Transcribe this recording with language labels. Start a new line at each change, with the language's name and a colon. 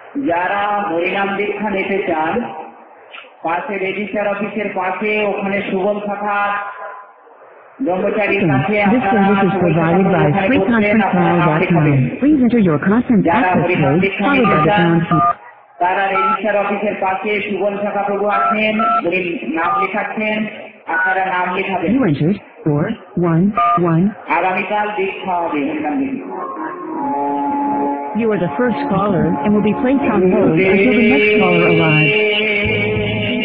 Bangla: যারা হরিনাম দীক্ষা নিতে চান পাশে রেজিস্টার অফিসের পাশে ওখানে সুগম শাখা
English: This service is provided by Free Conference Call. Please enter your conference access code, followed by the pound key.
Bangla: তারা রেজিস্টার অফিসের পাশে সুগন শাখা প্রভু আছেন উনি নাম লেখাচ্ছেন আপনারা নাম লেখাবেন আগামীকাল দীক্ষা হবে
English: You are the first caller and will be placed on hold until the next caller arrives.